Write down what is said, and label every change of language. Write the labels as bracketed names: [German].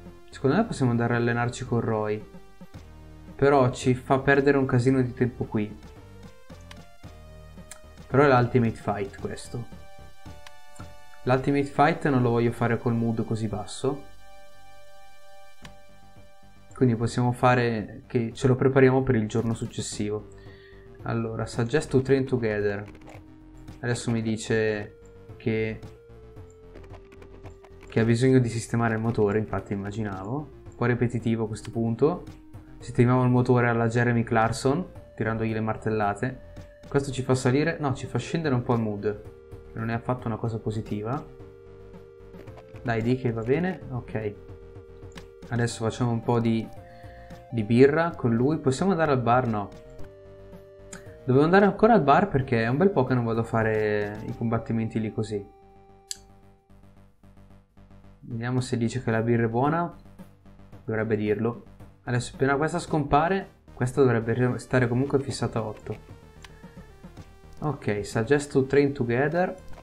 [Italian] Secondo me possiamo andare a allenarci con Roy. Però ci fa perdere un casino di tempo qui. Però è l'ultimate fight questo. L'ultimate fight non lo voglio fare col mood così basso. Quindi possiamo fare che ce lo prepariamo per il giorno successivo. [English] Allora, suggest to train together. [Italian] Adesso mi dice che ha bisogno di sistemare il motore, infatti immaginavo. Un po' ripetitivo a questo punto. Sistemiamo il motore alla Jeremy Clarkson, tirandogli le martellate. Questo ci fa salire, no, ci fa scendere un po' il mood, che non è affatto una cosa positiva. Dai, di che va bene. Ok. Adesso facciamo un po' di birra con lui. Possiamo andare al bar? No. Dovevo andare ancora al bar perché è un bel po' che non vado a fare i combattimenti lì così. Vediamo se dice che la birra è buona. Dovrebbe dirlo. Adesso appena questa scompare, questa dovrebbe stare comunque fissata a 8. [English] Ok, suggest to train together.